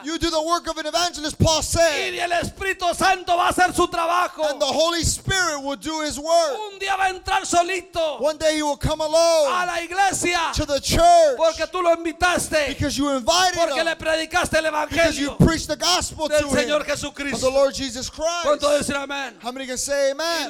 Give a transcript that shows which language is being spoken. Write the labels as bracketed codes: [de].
[en] The, you do the work of an evangelist, Paul said. [es] Y el Espíritu Santo va a hacer su trabajo. [en] And the Holy Spirit will do his work. [es] Un día va a entrar solito. [en] One day he will come alone. [es] A la iglesia. [en] To the church. [es] Porque tú lo invitaste. [en] Because you invited [es] porque [en] him. [es] Porque le predicaste el evangelio. [en] Because you preached the gospel [es] del [en] to [es] Señor [en] him. [es] Jesucristo. [en] Of the Lord Jesus Christ. [es] ¿Cuánto decir amén? [en] How many can say amen?